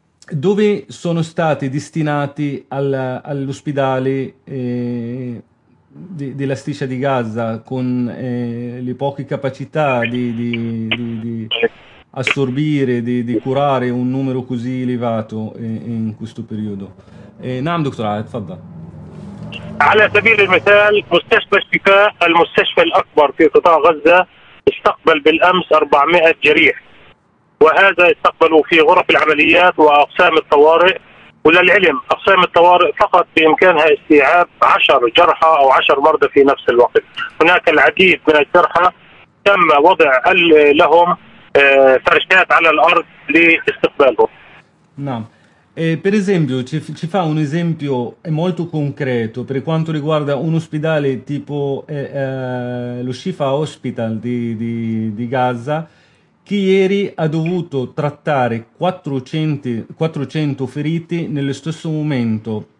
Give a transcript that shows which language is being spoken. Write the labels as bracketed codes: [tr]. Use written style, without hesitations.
[it] Dove sono stati destinati all'ospedale della striscia di Gaza, con le poche capacità di assorbire, di curare un numero così elevato in questo periodo. [ar] نعم دكتور عاد تفضل. على سبيل المثال مستشفى الشفاء المستشفى الأكبر في قطاع غزة استقبل بالأمس 400 جريح، وهذا استقبلوا في غرف العمليات وأقسام الطوارئ. وللعلم أقسام الطوارئ فقط بإمكانها استيعاب 10 جرحى أو 10 مرضى في نفس الوقت. هناك العديد من الجرحى تم وضع لهم فرشات على الأرض لاستقبالهم. نعم. [it] Per esempio, ci fa un esempio molto concreto per quanto riguarda un ospedale tipo lo Shifa Hospital di Gaza, che ieri ha dovuto trattare 400 feriti nello stesso momento.